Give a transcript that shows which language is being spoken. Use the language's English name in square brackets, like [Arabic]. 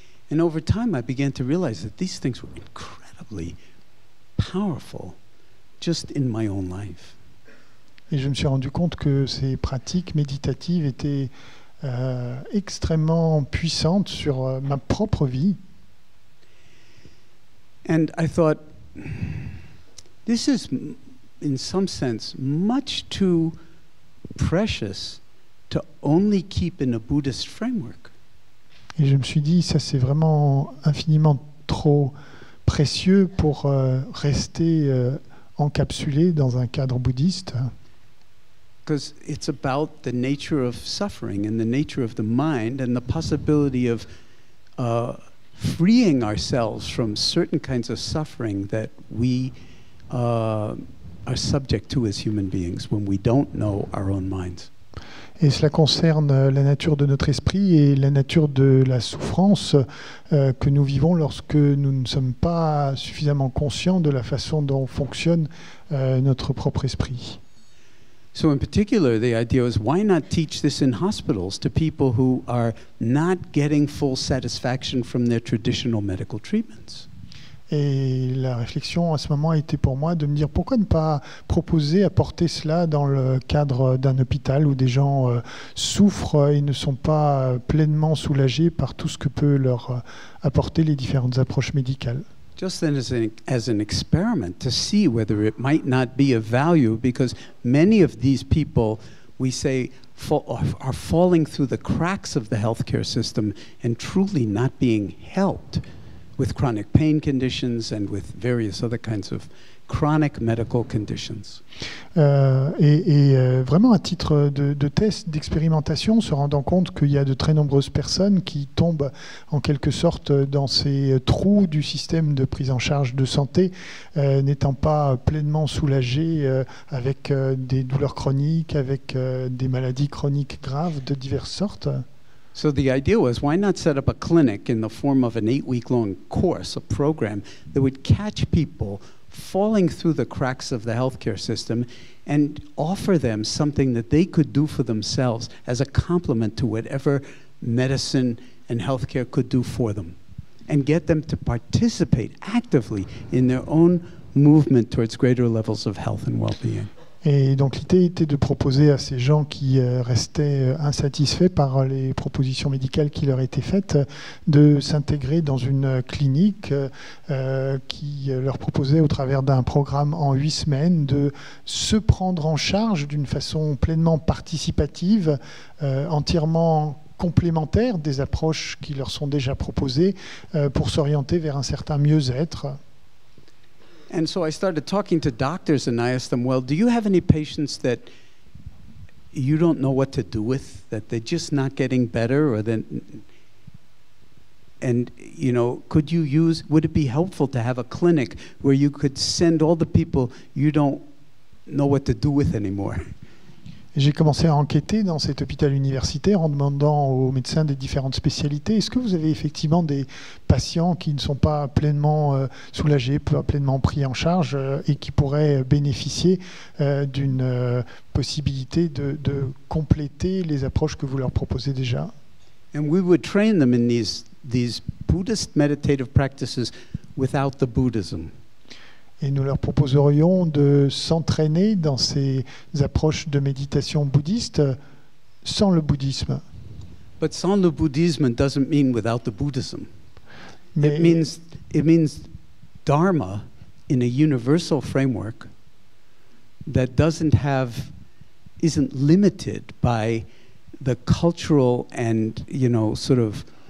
[English] And over time I began to realize that these things were incredibly powerful just in my own life. [French] Et je me suis rendu compte que ces pratiques méditatives étaient extrêmement puissantes sur ma propre vie. [English] And I thought, this is in some sense much too precious to only keep in a Buddhist framework. [French] Et je me suis dit, ça c'est vraiment infiniment trop précieux pour rester encapsulé dans un cadre bouddhiste. [English] Because it's about the nature of suffering and the nature of the mind and the possibility of freeing ourselves from certain kinds of suffering that we are subject to as human beings when we don't know our own minds. [French] Et cela concerne la nature de notre esprit et la nature de la souffrance que nous vivons lorsque nous ne sommes pas suffisamment conscients de la façon dont fonctionne notre propre esprit. [English] So in particular, the idea was, why not teach this in hospitals to people who are not getting full satisfaction from their traditional medical treatments? [French] Et la réflexion à ce moment a été pour moi de me dire, pourquoi ne pas proposer, apporter cela dans le cadre d'un hôpital où des gens souffrent et ne sont pas pleinement soulagés par tout ce que peut leur apporter les différentes approches médicales? [English] Just then as an experiment to see whether it might not be of value, because many of these people, we say, are falling through the cracks of the healthcare system and truly not being helped with chronic pain conditions and with various other kinds of chronic medical conditions. [French] Vraiment à titre de test, d'expérimentation, se rendant compte qu'il y a de très nombreuses personnes qui tombent en quelque sorte dans ces trous du système de prise en charge de santé, n'étant pas pleinement soulagées avec des douleurs chroniques, avec des maladies chroniques graves de diverses sortes. [English] So the idea was, why not set up a clinic in the form of an 8-week-long course, a program that would catch people falling through the cracks of the healthcare system and offer them something that they could do for themselves as a complement to whatever medicine and healthcare could do for them, and get them to participate actively in their own movement towards greater levels of health and well-being. [French] Et donc l'idée était de proposer à ces gens qui restaient insatisfaits par les propositions médicales qui leur étaient faites de s'intégrer dans une clinique qui leur proposait, au travers d'un programme en 8 semaines, de se prendre en charge d'une façon pleinement participative, entièrement complémentaire des approches qui leur sont déjà proposées pour s'orienter vers un certain mieux-être. [English] And so I started talking to doctors and I asked them, well, do you have any patients that you don't know what to do with, that they're just not getting better, or then, and you know, could you use, would it be helpful to have a clinic where you could send all the people you don't know what to do with anymore? [French] J'ai commencé à enquêter dans cet hôpital universitaire en demandant aux médecins des différentes spécialités, est-ce que vous avez effectivement des patients qui ne sont pas pleinement soulagés, pas pleinement pris en charge et qui pourraient bénéficier d'une possibilité de compléter les approches que vous leur proposez déjà? [English] And we would train them in these Buddhist meditative practices without the Buddhism. [French] Et nous leur proposerions de s'entraîner dans ces approches de méditation bouddhiste sans le bouddhisme. [English] But [French] sans le bouddhisme [English] doesn't mean without the Buddhism. [French] Mais [English] it means dharma in a universal framework that isn't limited by the cultural and, you know, sort of